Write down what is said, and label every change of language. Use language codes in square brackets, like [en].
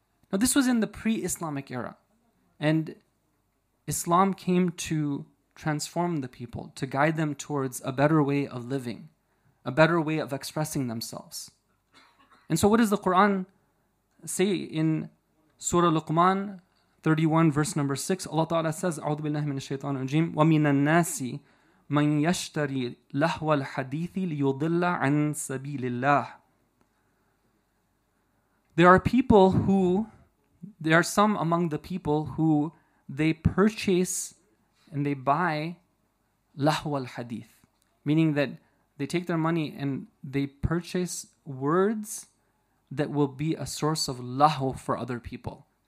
[en] Now, this was in the pre-Islamic era, and Islam came to transform the people, to guide them towards a better way of living, a better way of expressing themselves. And so what does the Quran say in Surah Luqman 31, verse number 6? Allah Ta'ala says, [ar] أَعُوذُ بِاللَّهِ مِنَ الشَّيْطَانِ الرَّجِيمِ وَمِنَ النَّاسِ مَنْ يَشْتَرِي لَهْوَ الْحَدِيثِ لِيُضِلَّ عَنْ سَبِيلِ اللَّهِ. [en] There are people who, there are some among the people who they purchase and they buy [ar] لَهْوَ الْحَدِيثِ, [en] meaning that they take their money and they purchase words that will be a source of lahu for other people.